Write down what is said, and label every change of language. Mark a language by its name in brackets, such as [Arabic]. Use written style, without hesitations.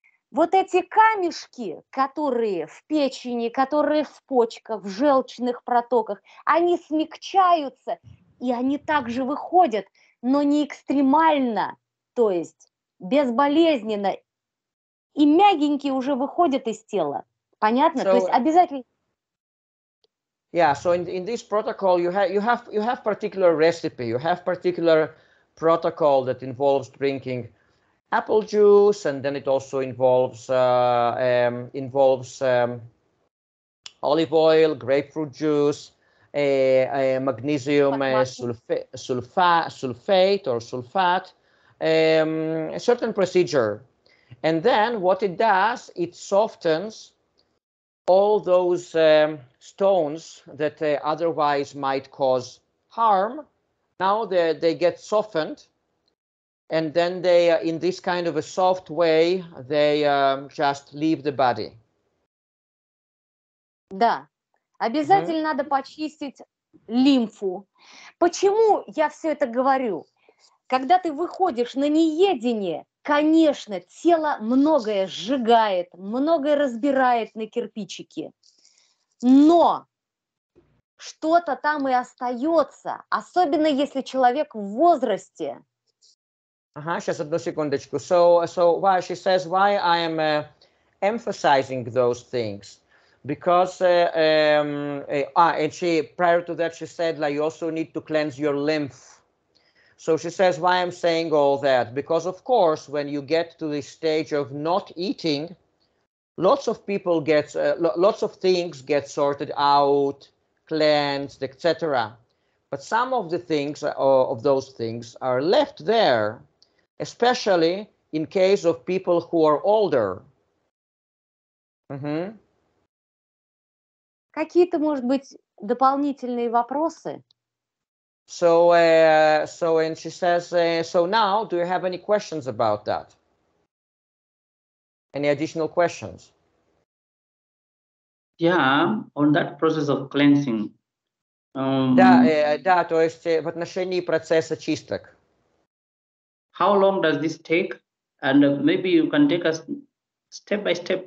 [Russian] Вот эти камешки, которые в печени, которые в почках, в желчных протоках, они смягчаются, и они также выходят, но не экстремально, то есть безболезненно, и мягенькие уже выходят из тела. Понятно? So, то есть обязательно... [English] Yeah, so in this protocol you have particular recipe, you have particular protocol that involves drinking apple juice, and then it also involves olive oil, grapefruit juice, magnesium sulfate, a certain procedure. And then what it does, it softens all those stones that otherwise might cause harm. Now they get softened. And then they, in this kind of a soft way, they just leave the body. [Russian] Да, обязательно надо почистить лимфу. Почему я все это говорю? Когда ты выходишь на неедение, конечно, тело многое сжигает, многое разбирает на кирпичики. Но что-то там и остается, особенно если человек в возрасте. Ага, сейчас одну секундочку. [English] So why she says why I am emphasizing those things? Because and she prior to that she said like you also need to cleanse your lymph. So she says why I'm saying all that? Because of course when you get to the stage of not eating, lots of people get lots of things get sorted out, cleansed, etc. But some of the things of those things are left there. Especially in case of people who are older. Mm-hmm. [Russian] Какие-то, может быть, дополнительные вопросы? [English] So now, do you have any questions about that? Any additional questions? Yeah, on that process of cleansing. [Russian] Да, то есть в отношении процесса чисток. [English] How long does this take? And maybe you can take us step by step.